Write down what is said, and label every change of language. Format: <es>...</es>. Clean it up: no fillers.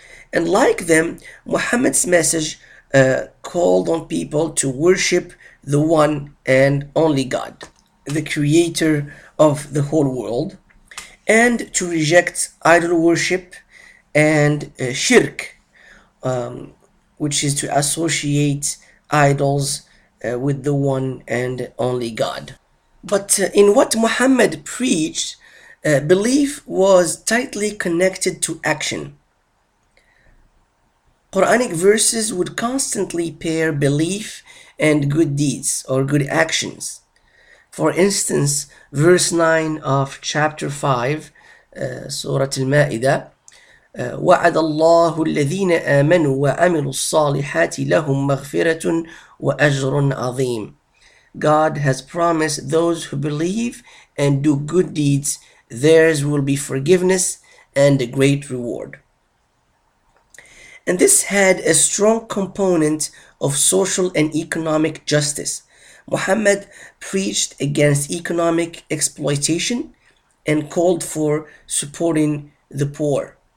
<en>And like them, Muhammad's message called on people to worship the one and only God, the creator of the whole world, and to reject idol worship and shirk, which is to associate idols with the one and only God. But in what Muhammad preached, belief was tightly connected to action. Quranic verses would constantly pair belief and good deeds or good actions. For instance, verse 9 of chapter 5, Surah Al-Ma'idah,</en> <ar>وَعَدَ اللَّهُ الَّذِينَ آمَنُوا وَعَمِلُوا الصَّالِحَاتِ لَهُمْ مَغْفِرَةٌ وَأَجْرٌ عَظِيمٌ.</ar> <en>God has promised those who believe and do good deeds, theirs will be forgiveness and a great reward. And this had a strong component of social and economic justice. Muhammad preached against economic exploitation and called for supporting the poor.</en>